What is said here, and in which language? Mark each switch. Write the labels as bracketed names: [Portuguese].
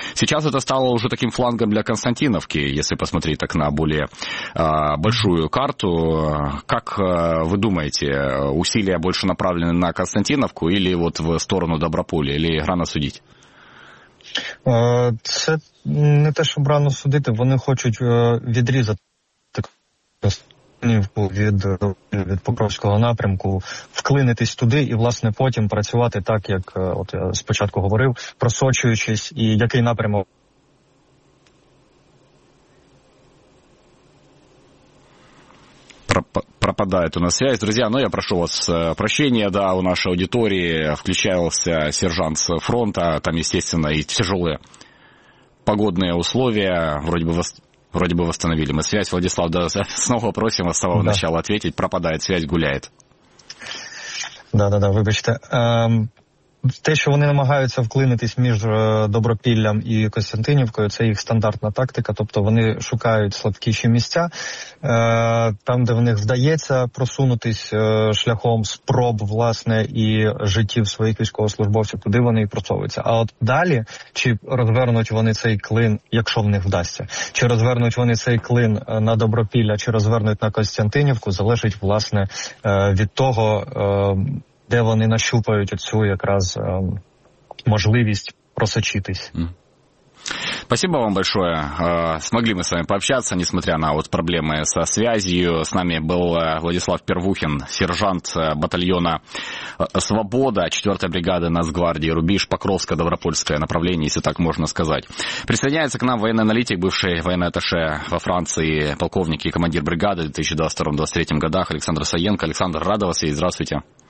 [Russian] Сейчас это стало уже таким флангом для Константиновки, [Ukrainian] якщо [Russian] посмотреть так на более большую карту, как вы думаете, усилия больше направлены на Константиновку или вот в сторону Доброполя, или рано судить? [Ukrainian] Це не те, щоб рано судити. Вони хочуть відрізати Константинівку від Покровського напрямку, вклинитись туди і, власне, потім працювати так, як от я спочатку говорив, просочуючись і який напрямок. [Russian] Пропадает у нас связь. Друзья, ну я прошу вас прощения, да, у нашей аудитории включался сержант с фронта, там, естественно, и тяжелые погодные условия, вроде бы восстановили мы связь. Владислав, да, снова просим вас с самого начала ответить, пропадает связь, гуляет. [Ukrainian] Да, выбачьте. Те, що вони намагаються вклинитись між Добропіллям і Костянтинівкою, це їх стандартна тактика, тобто вони шукають слабкіші місця, там, де в них вдається просунутись шляхом спроб, власне, і життів своїх військовослужбовців, туди вони і просовуються. А от далі, чи розвернуть вони цей клин, якщо в них вдасться, чи розвернуть вони цей клин на Добропілля, чи розвернуть на Костянтинівку, залежить, власне, від того, де вони нащупають оцю якраз можливість просочитись. [Russian] Спасибо вам большое. Смогли мы с вами пообщаться, несмотря на вот проблемы со связью. С нами был Владислав Первухин, сержант батальона «Свобода» 4-й бригады Нацгвардии, рубеж Покровско-Добропольское направление, если так можно сказать. Присоединяется к нам военный аналитик, бывший военный атташе во Франции, полковник и командир бригады в 2022-2023 годах Александр Саенко. Александр, рада вас видеть. Здравствуйте.